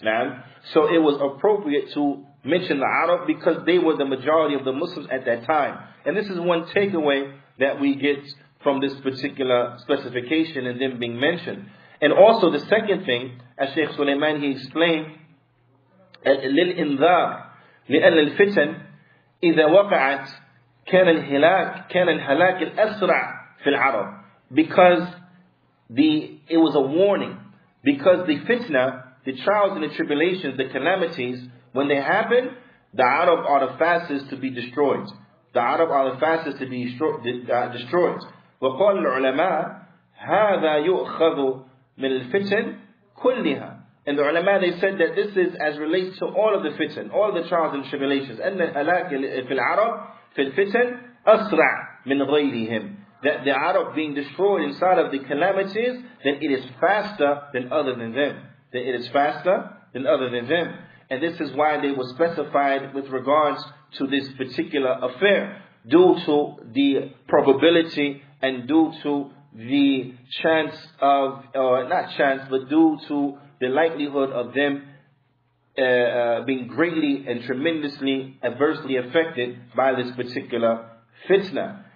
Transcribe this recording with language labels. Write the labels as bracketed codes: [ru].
[en] Now, so it was appropriate to mention the Arab because they were the majority of the Muslims at that time. And this is one takeaway that we get from this particular specification and them being mentioned. And also the second thing, as Sheikh Sulaiman, he explained, [ar] للإنذار لأن الفتن إذا وقعت كان الهلاك الأسرع في العرب. [en] Because it was a warning. Because the fitna, the trials and the tribulations, the calamities, when they happen, the Arab are the fastest to be destroyed. The Arab are the fastest to be destroyed. [ar] وقال العلماء هذا يؤخذ من الفتن كلها. [en] And the ulama, they said that this is as relates to all of the fitna, all of the trials and tribulations. [ar] أن الهلاك في العرب في الفتن أسرع من غيرهم. [en] That the Arab being destroyed inside of the calamities, then it is faster than other than them. That it is faster than other than them. And this is why they were specified with regards to this particular affair, due to the probability and due to the chance of, or not chance, but due to the likelihood of them being greatly and tremendously adversely affected by this particular fitna.